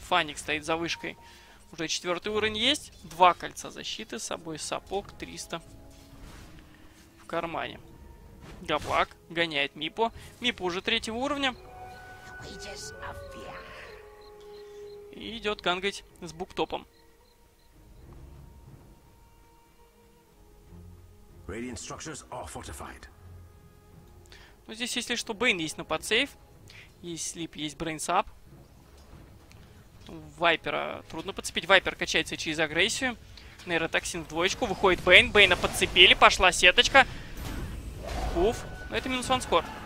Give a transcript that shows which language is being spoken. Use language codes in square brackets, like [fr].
[ru] Фаник стоит за вышкой. Уже четвертый уровень есть. Два кольца защиты с собой. Сапог 300 в кармане. Габлак гоняет Мипо. Мипо уже третьего уровня. И идет гангать с буктопом. [en] Radiant structures are fortified. [ru] Ну, здесь, если что, Бейн есть на подсейв. Есть слип, есть брейнсап. Вайпера трудно подцепить. Вайпер качается через агрессию. Нейротоксин в двоечку. Выходит Бейн. Бейна подцепили. Пошла сеточка. Уф. Но это минус ванскор.